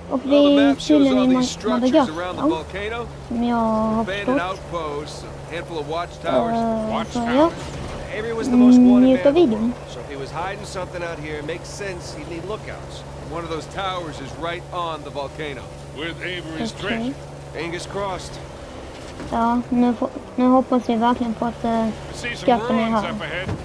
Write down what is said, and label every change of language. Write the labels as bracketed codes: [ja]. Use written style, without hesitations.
[sv] Och vi tydligen i Madagaskar, som jag har förstått. Njuta videon. [en] So if he was hiding something out here, it makes sense he'd need lookouts. One of those towers is right on the volcano. With Avery's treasure. Okay. Angus crossed. [sv] Ja, nu hoppas vi verkligen på att skaffen är här.